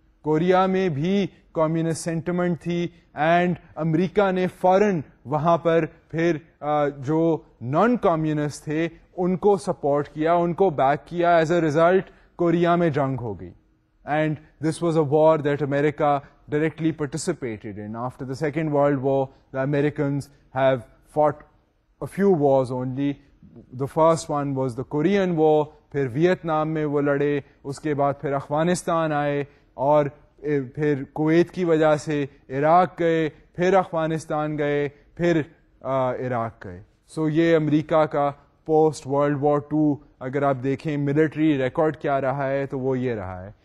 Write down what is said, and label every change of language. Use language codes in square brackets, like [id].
[ur] Korea میں بھی communist sentiment تھی, اینڈ امریکہ نے فوراً وہاں پر پھر جو نان کمیونسٹ تھے ان کو سپورٹ کیا, ان کو بیک کیا. [en] as a result [ur] کوریا میں جنگ ہو گئی, [en] And this was a war that America directly participated in. After the second world war the Americans have fought a few wars only. The first one was the Korean war, [ur] پھر Vietnam میں وہ لڑے, اس کے بعد پھر افغانستان آئے, اور پھر کویت کی وجہ سے عراق گئے, پھر افغانستان گئے, پھر عراق گئے. سو یہ امریکہ کا پوسٹ ورلڈ وار ٹو اگر آپ دیکھیں ملٹری ریکارڈ کیا رہا ہے تو وہ یہ رہا ہے.